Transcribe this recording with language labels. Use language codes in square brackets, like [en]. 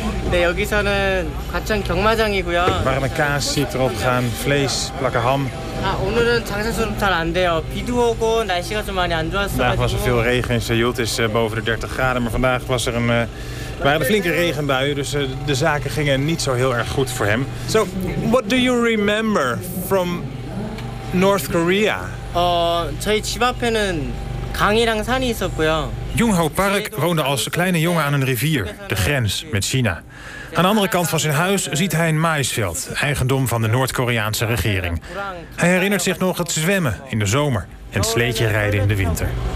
[nl] Nee, [ko] 여기서는 가짱 경마장이고요. [nl] Warme kaas ziet erop gaan, vlees, plakken ham. [ko] Ah, 오늘은 장사 좀 잘 안 돼요. 비도 오고 날씨가 좀 많이 안 좋았어. [nl] Vandaag was er veel regen in Seoul, het is boven de 30 graden, maar vandaag was er een waren de flinke regenbuien, dus de zaken gingen niet zo heel erg goed voor hem. [en] So, what do you remember from North Korea? [ko] 저희 집 앞에는 강이랑 산이 있었고요. [nl] Jung-ho Park woonde als kleine jongen aan een rivier, de grens met China. Aan de andere kant van zijn huis ziet hij een maïsveld, eigendom van de Noord-Koreaanse regering. Hij herinnert zich nog het zwemmen in de zomer en sleetje rijden in de winter.